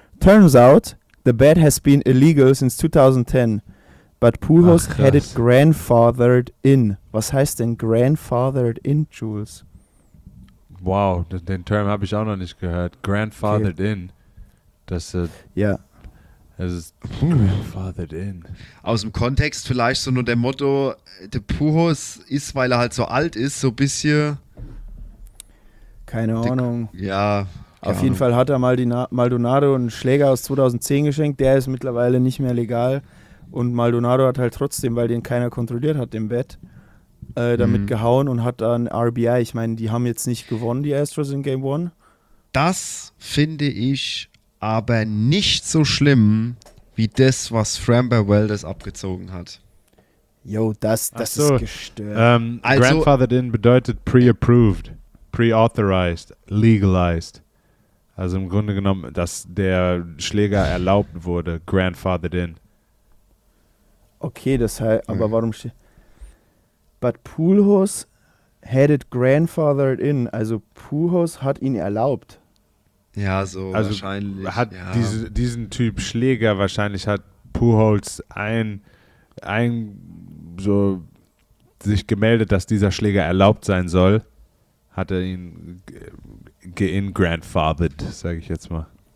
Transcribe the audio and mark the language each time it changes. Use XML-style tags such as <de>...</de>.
<en>Turns out, the bat has been illegal since 2010. But Pujols had it grandfathered in.</en> <de>Was heißt denn grandfathered in, Jules? Wow, den Term habe ich auch noch nicht gehört. Grandfathered in. Das ist. Ja. Das ist grandfathered in. Aus dem Kontext vielleicht so nur der Motto: der Pujols ist, weil er halt so alt ist, so ein bisschen. Keine Ahnung. Ja. Auf jeden Fall hat er Maldonado einen Schläger aus 2010 geschenkt. Der ist mittlerweile nicht mehr legal. Und Maldonado hat halt trotzdem, weil den keiner kontrolliert hat, im Bett damit gehauen und hat dann RBI. Ich meine, die haben jetzt nicht gewonnen, die Astros in Game 1. Das finde ich aber nicht so schlimm, wie das, was Framber Valdez abgezogen hat. Yo, das so. Ist gestört. Also, grandfathered in bedeutet</de> <en>pre-approved, pre-authorized, legalized.</en> <de>Also im Grunde genommen, dass der Schläger erlaubt wurde, grandfathered in. Okay, das heißt, aber warum steht.</de> <en>But Pujols had it grandfathered in.</en> <de>Also Pujols hat ihn erlaubt. Ja, so also wahrscheinlich. Hat ja. diesen Typ Schläger wahrscheinlich hat Pujols ein so sich gemeldet, dass dieser Schläger erlaubt sein soll. Hat er ihn ge-in-grandfathered, sage ich jetzt mal.</de>